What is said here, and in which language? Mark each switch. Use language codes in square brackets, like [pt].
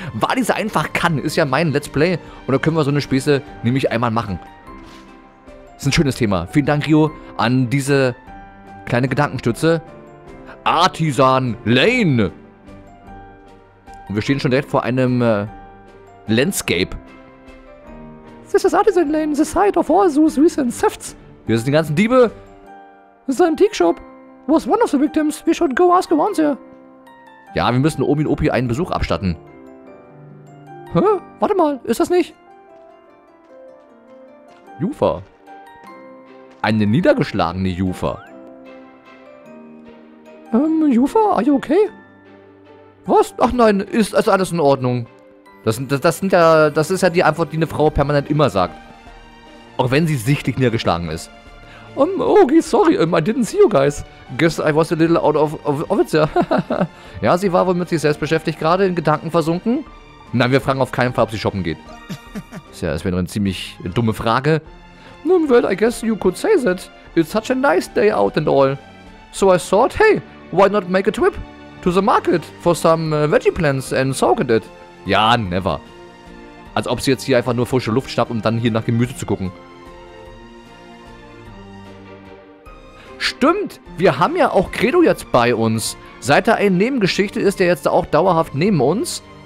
[de] Weil diese einfach kann, ist ja mein Let's Play und da können wir so eine Späße nämlich einmal machen. Ist ein schönes Thema. Vielen Dank, Rio, an diese kleine Gedankenstütze. Artisan Lane! Und wir stehen schon direkt vor einem Landscape. [en] This is Artisan Lane, the site of all those recent thefts. [de] Hier sind die ganzen Diebe. [en] This is an antique shop. Was one of the victims. We should go ask around there. [de] Ja, wir müssen Omi und Opi einen Besuch abstatten. Hä? Warte mal, ist das nicht? Jufa. Eine niedergeschlagene Jufa. [en] Jufa, are you okay? [de] Was? Ach nein, ist also alles in Ordnung. Das ist ja die Antwort, die eine Frau permanent immer sagt. Auch wenn sie sichtlich niedergeschlagen ist. [en] I didn't see you guys. Guess I was a little out of it, yeah. [de] Ja, sie war wohl mit sich selbst beschäftigt, gerade in Gedanken versunken. Nein, wir fragen auf keinen Fall, ob sie shoppen geht. Das wäre eine ziemlich dumme Frage. [en] Well, I guess you could say that. It's such a nice day out and all. So I thought, hey, why not make a trip to the market for some veggie plants and soak in it? [de] Ja, [en] never. [de] Als ob sie jetzt hier einfach nur frische Luft schnappt, um dann hier nach Gemüse zu gucken. Stimmt, wir haben ja auch Credo jetzt bei uns. Seit er eine Nebengeschichte ist, er jetzt auch dauerhaft neben uns.